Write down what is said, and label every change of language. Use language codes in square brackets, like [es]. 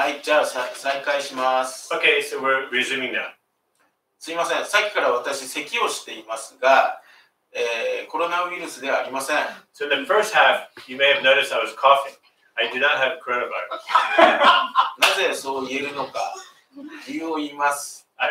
[ja] はい、じゃあ再開します。 [en] Okay, so we're resuming now. [ja] すいません、さっきから私咳をしていますが、コロナウイルスではありません。 [en] So the first half, you may have noticed I was coughing. I do not have coronavirus. [ja] なぜそう言えるのか、理由を言います。